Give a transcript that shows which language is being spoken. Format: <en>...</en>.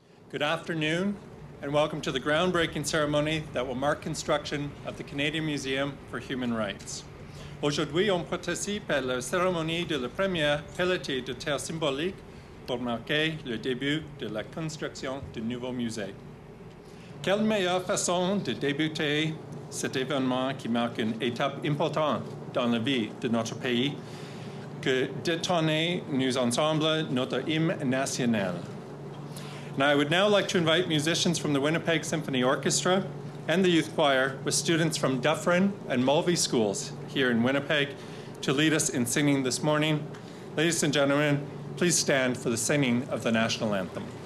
<en>Good afternoon, and welcome to the groundbreaking ceremony that will mark construction of the Canadian Museum for Human Rights.</en> <fr>Aujourd'hui, on participe à la cérémonie de la première pelletée de terre symbolique pour marquer le début de la construction du nouveau musée. Quelle meilleure façon de débuter cet événement qui marque une étape importante dans la vie de notre pays que d'étonner nous ensemble notre hymne national.</fr> <en>Now, I would now like to invite musicians from the Winnipeg Symphony Orchestra and the Youth Choir with students from Dufferin and Mulvey schools here in Winnipeg to lead us in singing this morning. Ladies and gentlemen, please stand for the singing of the national anthem.</en>